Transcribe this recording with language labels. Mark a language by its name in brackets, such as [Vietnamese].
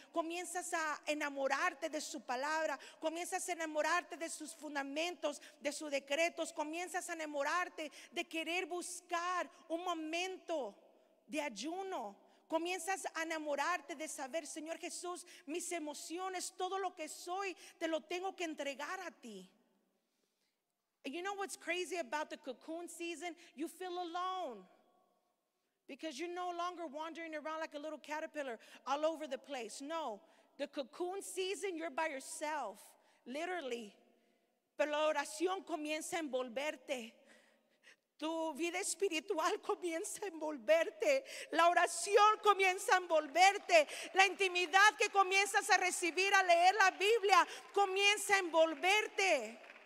[Spanish] Comienzas a enamorarte de su palabra. Comienzas a enamorarte de sus fundamentos, de sus decretos. Comienzas a enamorarte de querer buscar un momento de ayuno. Comienzas a enamorarte de saber, Señor Jesús, mis emociones, todo lo que soy, te lo tengo que entregar a ti. [English] And you know what's crazy about the cocoon season? You feel alone because you're no longer wandering around like a little caterpillar all over the place. No, the cocoon season, you're by yourself, literally. [Spanish] Pero la oración comienza a envolverte. Tu vida espiritual comienza a envolverte. La oración comienza a envolverte. La intimidad que comienzas a recibir a leer la Biblia comienza a envolverte.